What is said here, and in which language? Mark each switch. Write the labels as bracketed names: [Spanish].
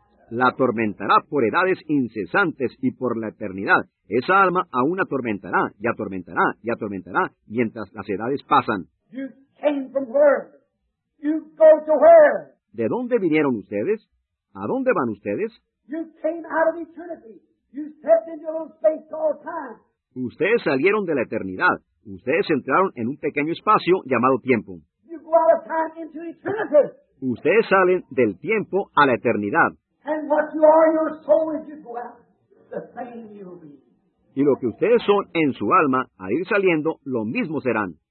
[Spanish] La atormentará por edades incesantes y por la eternidad. Esa alma aún atormentará y atormentará y atormentará mientras las edades pasan. [English] You came from her. You go to her. [Spanish] ¿De dónde vinieron ustedes? ¿A dónde van ustedes? [English] You came out of eternity. You stepped into a little space called time. [Spanish] Ustedes salieron de la eternidad. Ustedes entraron en un pequeño espacio llamado tiempo. [English] You go out of time into eternity. [Spanish] Ustedes salen del tiempo a la eternidad. [English] And what you are in your soul as you go out, the same you'll be. [Spanish] Y lo que ustedes son en su alma, al ir saliendo, lo mismo serán.